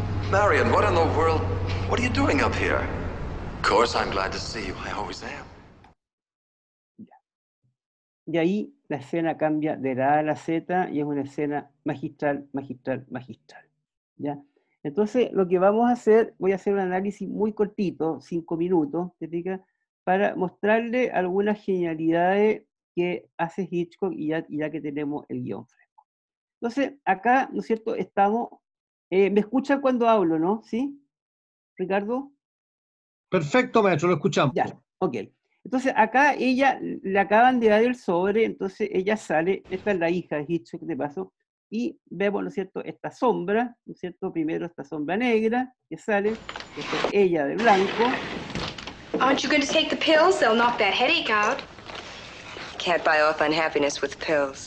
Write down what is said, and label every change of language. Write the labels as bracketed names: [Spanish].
[English] Marion, what in the world? What are you doing up here? Of course I'm glad to see you. I always am. [Spanish] Y ahí la escena cambia de la A a la Z y es una escena magistral, magistral, magistral. ¿Ya? Entonces, lo que vamos a hacer, voy a hacer un análisis muy cortito, 5 minutos, ¿te fijas? Para mostrarle algunas genialidades que hace Hitchcock y ya que tenemos el guión fresco. Entonces, acá, ¿no es cierto? Estamos. ¿Me escuchan cuando hablo, no? ¿Sí? ¿Ricardo? Perfecto, maestro, lo escuchamos. Ya, ok. Entonces, acá ella le acaban de dar el sobre, entonces ella sale, esta es la hija de Hitchcock, de paso, y vemos, ¿no es cierto?, esta sombra, ¿no es cierto?, primero esta sombra negra que sale, después ella de blanco. [English] Aren't you going to take the pills? They'll knock that headache out. Can't buy off unhappiness with pills.